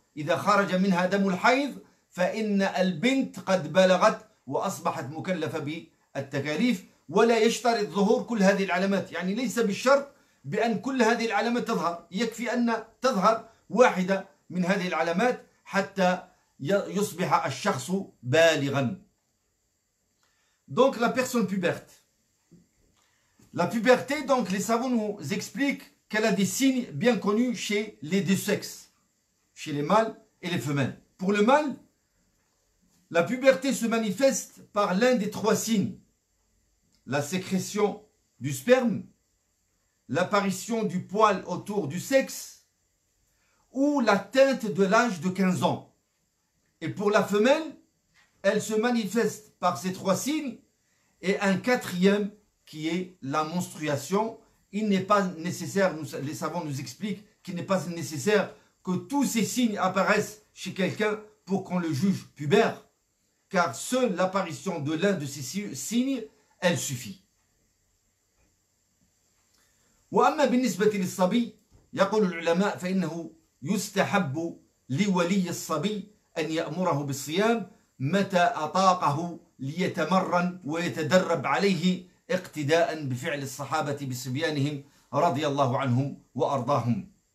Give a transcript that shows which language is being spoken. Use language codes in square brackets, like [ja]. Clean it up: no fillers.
[ar] إذا خرج منها دم الحيض فإن البنت قد بلغت وأصبحت مكلفة بالتكاليف. ولا يشترط ظهور كل هذه العلامات، يعني ليس بالشرط بأن كل هذه العلامات تظهر، يكفي أن تظهر واحدة من هذه العلامات حتى يصبح الشخص بالغا. [fr] Donc la personne puberte. La puberté, donc les savants nous expliquent qu'elle a des signes bien connus chez les deux sexes, chez les mâles et les femelles. Pour le mâle, la puberté se manifeste par l'un des trois signes. La sécrétion du sperme, l'apparition du poil autour du sexe ou l'atteinte de l'âge de 15 ans. Et pour la femelle, elle se manifeste par ces trois signes et un quatrième qui est la menstruation. Il n'est pas nécessaire, les savants nous expliquent qu'il n'est pas nécessaire que tous ces signes apparaissent chez quelqu'un pour qu'on le juge pubère, car seule l'apparition de l'un de ces signes, elle suffit. [ar] وأما بالنسبة للصبي يقول العلماء فإنه يستحب لولي الصبي أن يأمره بالصيام متى أطاقه ليتمرن ويتدرب عليه اقتداء بفعل الصحابة بصبيانهم رضي الله عنهم وأرضاهم.